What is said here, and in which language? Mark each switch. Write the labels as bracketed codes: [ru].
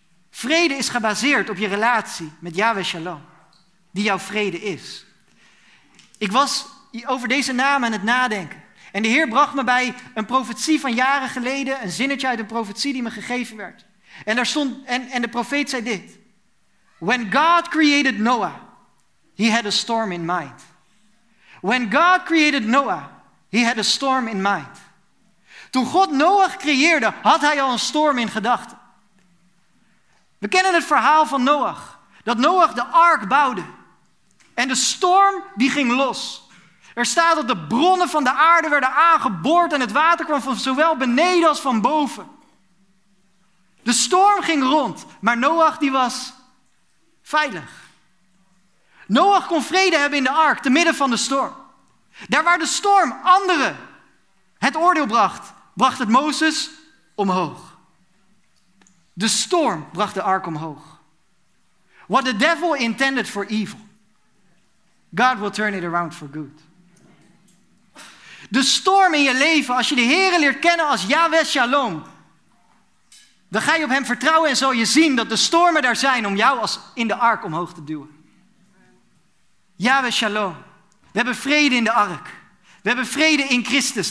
[nl] Vrede is gebaseerd op je relatie met Yahweh Shalom, die jouw vrede is. Ik was over deze naam aan het nadenken. En de Heer bracht me bij een profetie van jaren geleden, een zinnetje uit een profetie die me gegeven werd. En daar stond, en de profeet zei dit. [en] When God created Noah, he had a storm in mind. When God created Noah, he had a storm in mind. [nl] Toen God Noah creëerde, had hij al een storm in gedachten. We kennen het verhaal van Noah. Dat Noah de ark bouwde. En de storm die ging los. Er staat dat de bronnen van de aarde werden aangeboord en het water kwam van zowel beneden als van boven. De storm ging rond, maar Noach die was veilig. Noach kon vrede hebben in de ark, te midden van de storm. Daar waar de storm anderen het oordeel bracht, bracht het Mozes omhoog. De storm bracht de ark omhoog. [en] What the devil intended for evil, God will turn it around for good. [nl] De storm in je leven, als je de Heere leert kennen als Yahweh Shalom, dan ga je op hem vertrouwen en zal je zien dat de stormen daar zijn om jou als in de ark omhoog te duwen. Yahweh Shalom. We hebben vrede in de ark. We hebben vrede in Christus.